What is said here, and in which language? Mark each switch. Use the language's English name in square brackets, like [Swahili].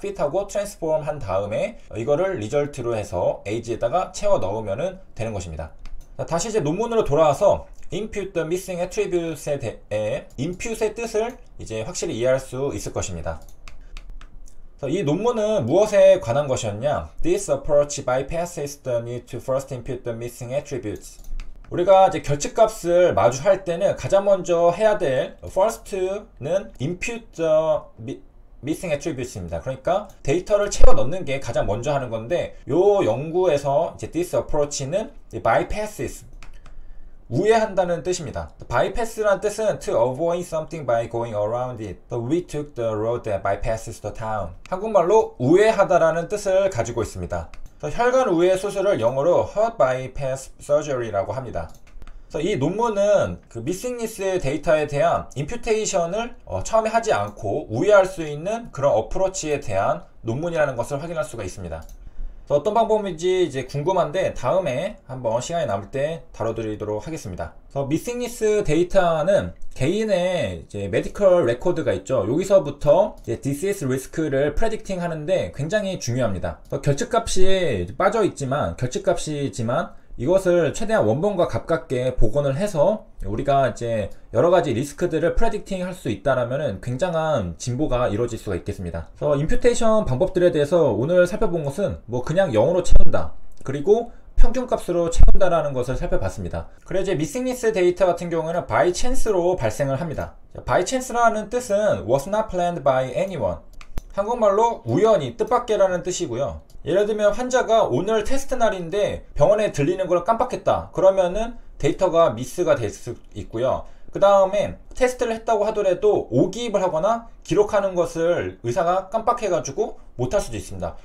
[Korean] 핏하고 트랜스폼 한 다음에 이거를 리절트로 해서 에이지에다가 채워 넣으면 되는 것입니다. 다시 이제 논문으로 돌아와서 [English] impute the missing attributes [Korean] 에 대해 impute의 뜻을 이제 확실히 이해할 수 있을 것입니다. 이 논문은 무엇에 관한 것이었냐? [English] This approach bypasses the need to first impute the missing attributes. [Korean] 우리가 이제 결측값을 마주할 때는 가장 먼저 해야 될 first는 [English] impute the missing attributes [Korean] 입니다. 그러니까 데이터를 채워 넣는 게 가장 먼저 하는 건데, 요 연구에서 이제 [English] this approach [Korean] 는 bypasses 우회한다는 뜻입니다. [English] bypass [Korean] 라는 뜻은 [English] to avoid something by going around it. We took the road that bypasses the town. [Korean] 한국말로 우회하다라는 뜻을 가지고 있습니다. 혈관 우회 수술을 영어로 heart bypass surgery라고 합니다. 이 논문은 그 missingness 데이터에 대한 imputation을 처음에 하지 않고 우회할 수 있는 그런 어프로치에 대한 논문이라는 것을 확인할 수가 있습니다. 어떤 방법인지 이제 궁금한데 다음에 한번 시간이 남을 때 다뤄드리도록 하겠습니다. missingness 데이터는 개인의 이제 medical record가 있죠. 여기서부터 이제 disease risk를 predicting 하는데 굉장히 중요합니다. 결측값이 빠져있지만, 결측값이지만 이것을 최대한 원본과 가깝게 복원을 해서 우리가 이제 여러 가지 리스크들을 프레딕팅 할수 있다라면은 굉장한 진보가 이루어질 수가 있겠습니다. 임퓨테이션 방법들에 대해서 오늘 살펴본 것은 뭐 그냥 0으로 채운다, 그리고 평균값으로 채운다라는 것을 살펴봤습니다. 그리고 이제 미싱리스 데이터 같은 경우에는 바이 챈스로 발생을 합니다. 바이 챈스라는 뜻은 [English] was not planned by anyone. [Korean] 한국말로 우연히 뜻밖에라는 뜻이고요. 예를 들면 환자가 오늘 테스트 날인데 병원에 들리는 걸 깜빡했다. 그러면은 데이터가 미스가 될수 있고요. 그 다음에 테스트를 했다고 하더라도 오기입을 하거나 기록하는 것을 의사가 깜빡해가지고 못할 수도 있습니다.